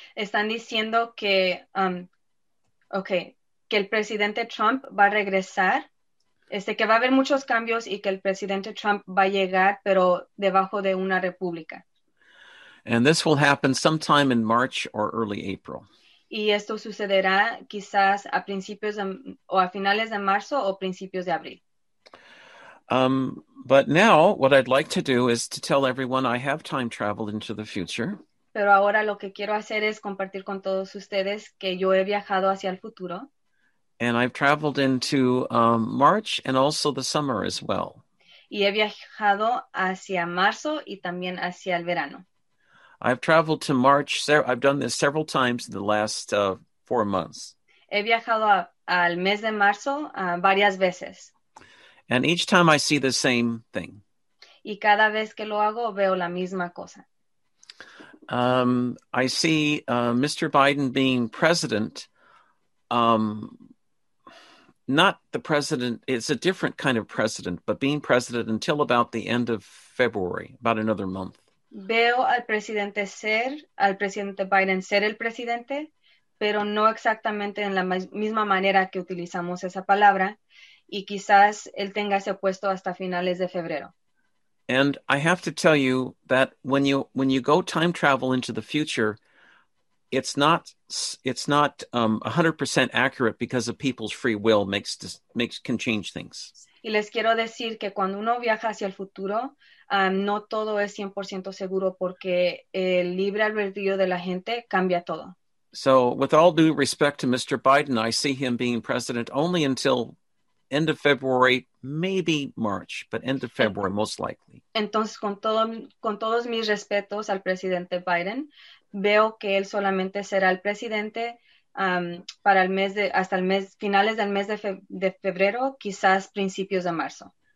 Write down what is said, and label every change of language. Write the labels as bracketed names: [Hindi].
[Spanish] Están diciendo que, que el presidente Trump va a regresar, que va a haber muchos cambios y que el presidente Trump va a llegar, pero debajo de una república. [English] And this will happen sometime in March or early April. [Spanish] Y esto sucederá quizás a principios o a finales de marzo o principios de abril. [English] But now what I'd like to do is to tell everyone I have time traveled into the future. [Spanish] Pero ahora lo que quiero hacer es compartir con todos ustedes que yo he viajado hacia el futuro. [English] And I've traveled into March and also the summer as well. [Spanish] Y he viajado hacia marzo y también hacia el verano. [English] I've traveled to March. I've done this several times in the last 4 months. [Spanish] He viajado al mes de marzo varias veces. [English] And each time I see the same thing. [Spanish] Y cada vez que lo hago veo la misma cosa. [English] I see Mr. Biden being president. Not the president, it's a different kind of president, but being president until about the end of February, about another month. [Spanish] Veo al presidente ser, al presidente Biden ser el presidente, pero no exactamente en la misma manera que utilizamos esa palabra, y quizás él tenga ese puesto hasta finales de febrero. [English] And I have to tell you that when you go time travel into the future, it's not 100% accurate because of people's free will can change things. [Spanish] Y les quiero decir que cuando uno viaja hacia el futuro, no todo es 100% seguro porque el libre albedrío de la gente cambia todo. [English] So with all due respect to Mr. Biden, I see him being president only until end of February, maybe March, but end of February most likely. [Spanish] Entonces, con todos mis respetos al presidente Biden, veo que él solamente será el presidente para el mes de hasta el mes finales del mes de febrero, quizás principios de marzo.